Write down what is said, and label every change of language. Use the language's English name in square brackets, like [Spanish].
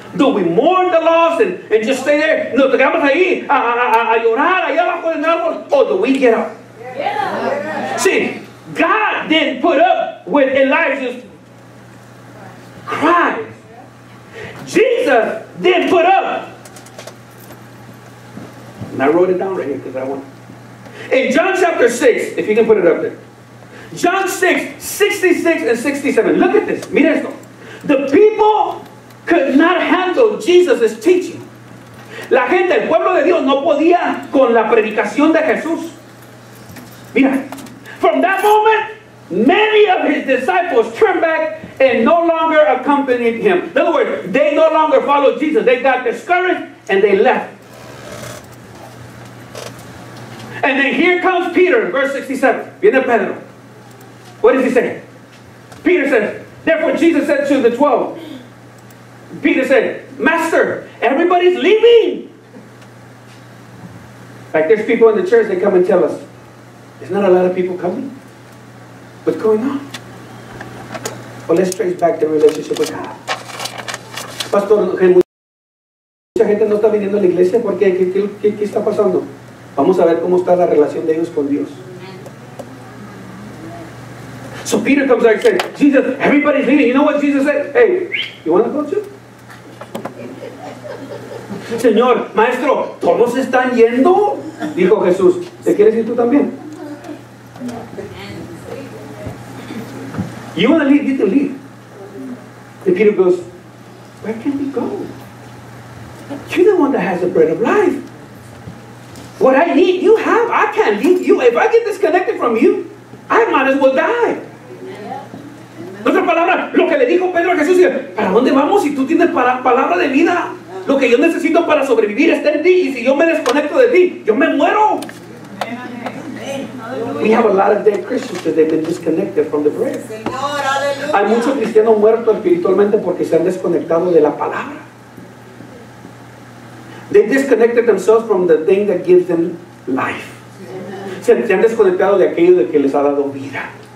[English] Do we mourn the loss and just stay there? [Spanish] No, te quedamos ahí, a llorar, allá abajo en el árbol. [English] Or do we get up? Yeah. See, God didn't put up with Elijah's cry. Jesus didn't put up. And I wrote it down right here because I want. In John chapter 6, if you can put it up there. John 6, 66 and 67. Look at this. [Spanish] Mira esto. [English] The people could not handle Jesus' teaching. [Spanish] La gente, el pueblo de Dios, no podía con la predicación de Jesús. Mira. [English] From that moment, many of his disciples turned back and no longer accompanied him. In other words, they no longer followed Jesus. They got discouraged and they left. And then here comes Peter, verse 67. [Spanish] Viene Pedro. [English] What does he say? Peter says, therefore Jesus said to the 12, Peter said, Master, everybody's leaving. Like there's people in the church, they come and tell us, there's not a lot of people coming. What's going on? Well, let's trace back the relationship with God. [Spanish] Pastor, mucha gente no está viniendo a la iglesia. ¿Por qué? ¿Qué está pasando? Vamos a ver cómo está la relación de ellos con Dios. [English] So Peter comes back and says, Jesus, everybody's leaving. You know what Jesus said? Hey, you want to go too? [Spanish] Señor, maestro, todos están yendo. Dijo Jesús, ¿te quieres ir tú también? [English] You want to leave? You can leave. And Peter goes, where can we go? You're the one that has the bread of life. What I need, you have. I can't leave you. If I get disconnected from you, I might as well die. [Spanish] En otras palabras, lo que le dijo Pedro a Jesús, ¿para dónde vamos si tú tienes palabra de vida? Lo que yo necesito para sobrevivir está en ti, y si yo me desconecto de ti, yo me muero. [English] We have a lot of dead Christians because they've been disconnected from the bread. [Spanish] Hay muchos cristianos muertos espiritualmente porque se han desconectado de la palabra. [English] They disconnected themselves from the thing that gives them life. [Spanish] Se han desconectado de aquello de que les ha dado vida.